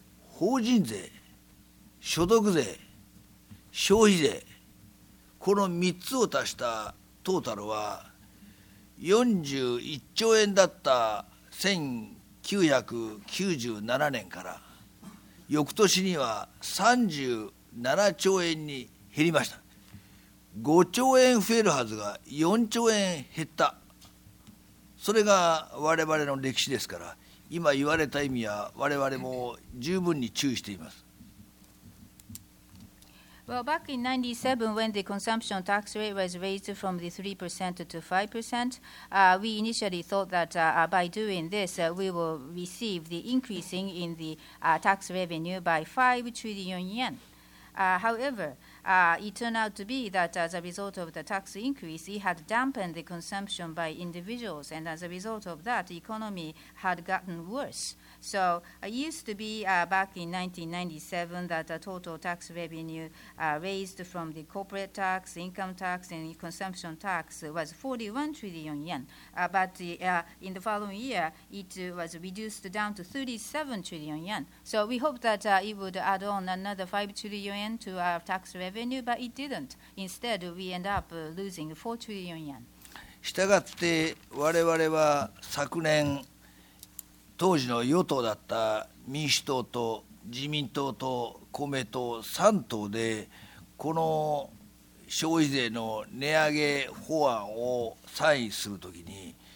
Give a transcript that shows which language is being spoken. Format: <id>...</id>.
<ja>法人税、所得税、消費税、この3つを足したトータルは41兆円だった1997年から翌年には37兆円に減りました。 5兆円増えるはずが4兆円減った。それが我々の歴史ですから、今言われた意味は我々も十分に注意しています。</ja> <en>Well, back in 97, when the consumption tax rate was raised from the 3% to 5%, we initially thought that by doing this, we will receive the increasing in the tax revenue by 5 trillion yen. However, it turned out to be that as a result of the tax increase, it had dampened the consumption by individuals, and as a result of that, the economy had gotten worse. So it used to be back in 1997 that the total tax revenue raised from the corporate tax, income tax, and consumption tax was 41 trillion yen. But in the following year, it was reduced down to 37 trillion yen. So we hoped that it would add on another 5 trillion yen to our tax revenue, but it didn't. Instead, we end up losing 4 trillion yen.</en> <ja>したがって我々は昨年当時の与党だった民主党と自民党と公明党3党でこの消費税の値上げ法案をサインするときに</ja>